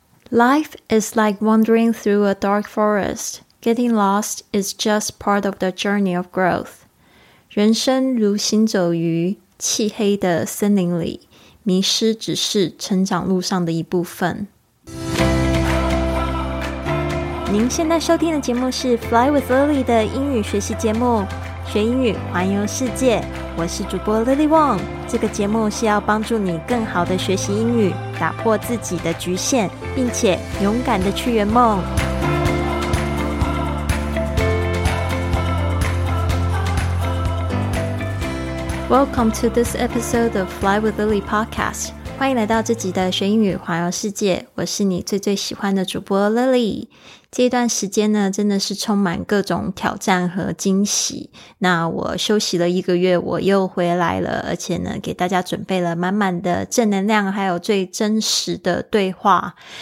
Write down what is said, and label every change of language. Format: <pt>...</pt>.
<en>Life is like wandering through a dark forest. Getting lost is just part of the journey of growth.</en> <zh>人生如行走于漆黑的森林里，迷失只是成长路上的一部分。您现在收听的节目是 Fly with Lily 的英语学习节目，学英语环游世界。我是主播 Lily Wong。这个节目是要帮助你更好的学习英语，打破自己的局限，并且勇敢的去圆梦。</zh> <en>Welcome to this episode of Fly with Lily podcast.</en> <zh>欢迎来到这集的学英语环游世界，我是你最最喜欢的主播 Lily。这段时间呢，真的是充满各种挑战和惊喜。那我休息了一个月，我又回来了，而且呢，给大家准备了满满的正能量，还有最真实的对话。</zh>